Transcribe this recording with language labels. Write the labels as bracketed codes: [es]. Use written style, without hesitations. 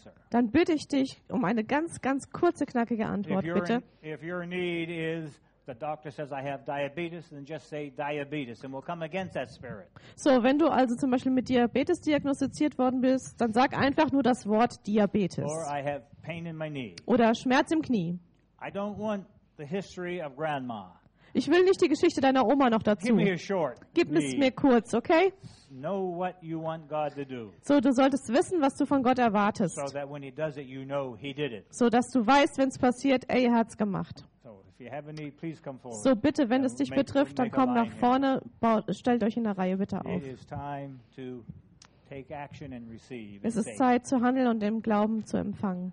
[de] Dann bitte ich dich um eine ganz, ganz kurze, knackige Antwort, bitte. Wenn deine Not ist, [en] the doctor says I have diabetes, then just say diabetes and we'll come against that spirit. [de] So, wenn du also zum Beispiel mit Diabetes diagnostiziert worden bist, dann sag einfach nur das Wort Diabetes. [en] Or I have pain in my knee. [de] Oder Schmerz im Knie. [en] I don't want the history of grandma. [de] Ich will nicht die Geschichte deiner Oma noch dazu. [en] Give me a short. [de] Gib es mir kurz, okay? [en] Know what you want God to do. [de] So, du solltest wissen, was du von Gott erwartest. [en] So that when he does it, you know he did it. [de] So dass du weißt, wenn es passiert, er hat's gemacht. [en] If you have any, please come forward. [de] So bitte, wenn es dich betrifft, dann komm nach vorne, stellt euch in der Reihe bitte auf. [en] It is time to take action and receive. [de] Es ist Zeit zu handeln und im Glauben zu empfangen.